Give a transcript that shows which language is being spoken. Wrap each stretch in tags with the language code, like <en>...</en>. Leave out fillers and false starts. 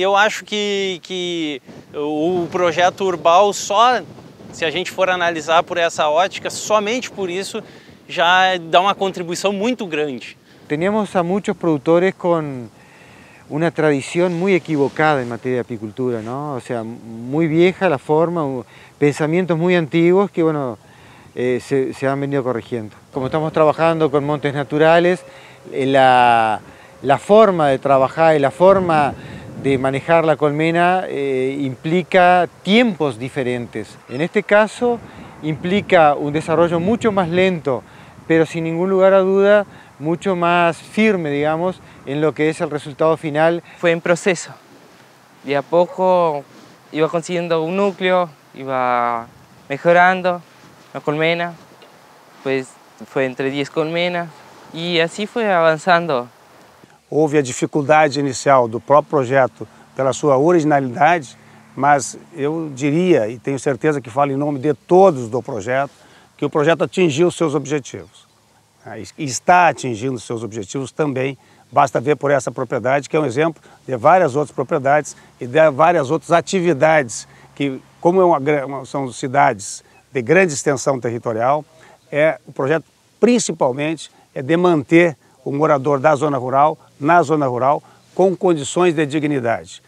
<pt>Eu acho que o projeto Urbal, só se a gente for analisar por essa ótica, somente por isso já dá uma contribuição muito grande. Temos a muitos produtores com uma tradição muito equivocada em matéria de apicultura, não? Ou seja, muito vieja a forma, pensamentos muito antigos</pt> <es>que, bueno, se han venido corrigiendo. Como estamos trabajando con montes naturales, la forma de trabajar y la forma de manejar la colmena implica tiempos diferentes. En este caso, implica un desarrollo mucho más lento, pero sin ningún lugar a duda, mucho más firme, digamos, en lo que es el resultado final. Fue en proceso. De a poco iba consiguiendo un núcleo, iba mejorando la colmena, pues fue entre 10 colmenas y así fue avanzando.</es> <pt>Houve a dificuldade inicial do próprio projeto pela sua originalidade, mas eu diria, e tenho certeza que falo em nome de todos do projeto, que o projeto atingiu seus objetivos. Está atingindo seus objetivos também, basta ver por essa propriedade, que é um exemplo de várias outras propriedades e de várias outras atividades, que como são cidades de grande extensão territorial, o projeto principalmente é de manter o morador da zona rural na zona rural com condições de dignidade.</pt>